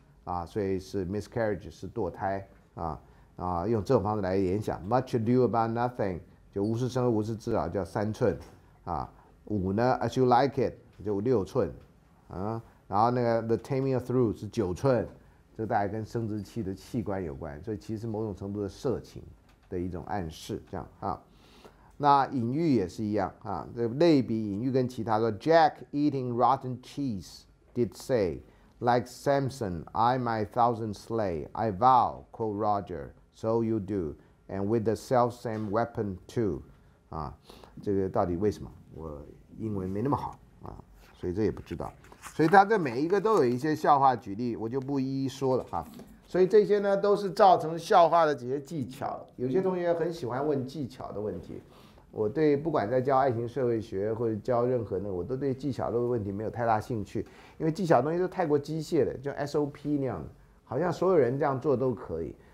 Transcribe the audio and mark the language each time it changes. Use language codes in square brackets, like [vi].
[zh] 啊，所以是 miscarriage 是堕胎啊啊，用这种方式来联想 ，much ado about nothing 就无事生无事至少叫三寸啊，五呢 as you like it 就六寸啊，然然后那个 the tamia through 是九寸，这大概跟生殖器的器官有关，所以其实某种程度的色情的一种暗示，这样啊。那隐喻也是一样啊，这类比隐喻跟其他说 [en] ，Jack eating rotten cheese did say, like Samson, I my thousand slay, I vow, quote Roger, so you do, and with the self same weapon too， [zh] 啊，这个到底为什么？我英文没那么好啊，所以这也不知道。所以他这每一个都有一些笑话举例，我就不一一说了哈。所以这些呢都是造成笑话的这些技巧。有些同学很喜欢问技巧的问题，我对不管在教爱情社会学或者教任何的，我都对技巧的问题没有太大兴趣，因为技巧的东西都太过机械了，就 SOP 那样的，好像所有人这样做都可以。